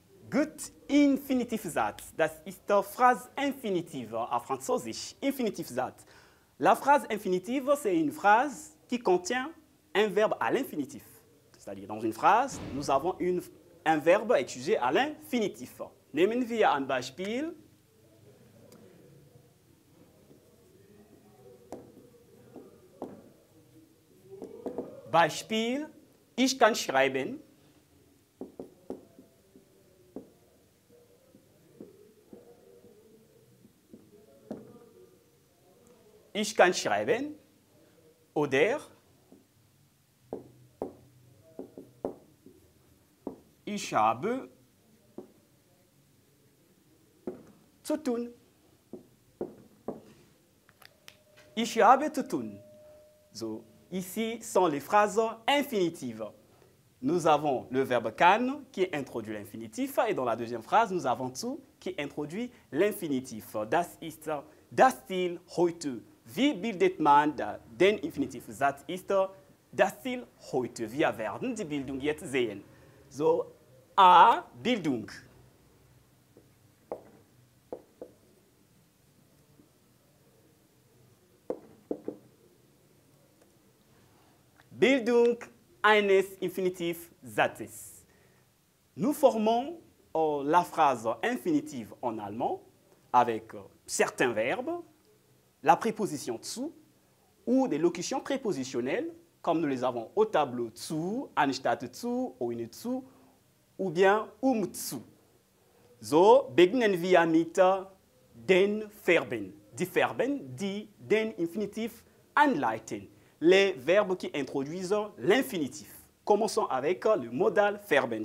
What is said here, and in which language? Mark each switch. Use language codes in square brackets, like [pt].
[de] Gut, Infinitivsatz, das ist die [fr] Phrase infinitive [de] auf Französisch, Infinitivsatz. [fr] La phrase infinitive, c'est une phrase qui contient un verbe à l'infinitif. C'est-à-dire, dans une phrase, nous avons un verbe étudié à l'infinitif. [de] Nehmen wir ein Beispiel. Beispiel, ich kann schreiben. Ich kann schreiben oder ich habe zu tun. Ich habe zu tun. [fr] So, ici sont les phrases infinitives. Nous avons le verbe kann qui introduit l'infinitif et dans la deuxième phrase, nous avons zu qui introduit l'infinitif. [de] Das ist das Ziel heute. Wie bildet man den Infinitivsatz? Ist das Ziel heute? Wir werden die Bildung jetzt sehen. So, A, Bildung. Bildung eines Infinitivsatzes. [fr] Nous formons la phrase infinitive en allemand avec certains verbes. La préposition « zu » ou des locutions prépositionnelles, comme nous les avons au tableau « zu »,« anstatt zu »,« ohne zu » ou bien « zu ». [de] So beginnen wir mit den Verben. Die Verben, die den Infinitiv anleiten. [fr] Les verbes qui introduisent l'infinitif. Commençons avec le modal « verben ».